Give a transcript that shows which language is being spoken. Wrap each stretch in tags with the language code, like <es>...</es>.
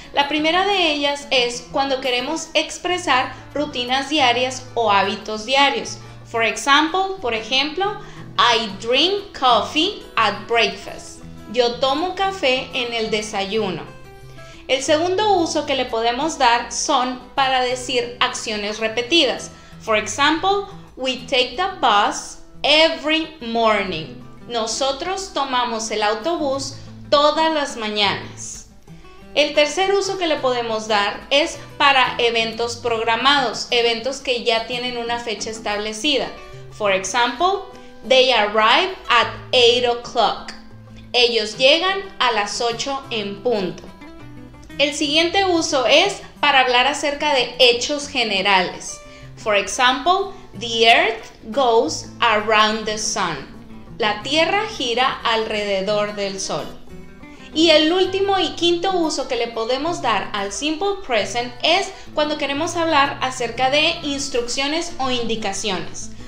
<es>La primera de ellas es cuando queremos expresar rutinas diarias o hábitos diarios. Por ejemplo,</es> <en>I drink coffee at breakfast.</en> <es>Yo tomo café en el desayuno. El segundo uso que le podemos dar son para decir acciones repetidas.</es> <en>For example, we take the bus every morning.</en> <es>Nosotros tomamos el autobús todas las mañanas. El tercer uso que le podemos dar es para eventos programados, eventos que ya tienen una fecha establecida.</es> <en>For example, they arrive at 8 o'clock.</en> <es>Ellos llegan a las 8 en punto. El siguiente uso es para hablar acerca de hechos generales.</es> <en>For example, the earth goes around the sun.</en> <es>La tierra gira alrededor del sol. Y el último y quinto uso que le podemos dar al simple present es cuando queremos hablar acerca de instrucciones o indicaciones.</es>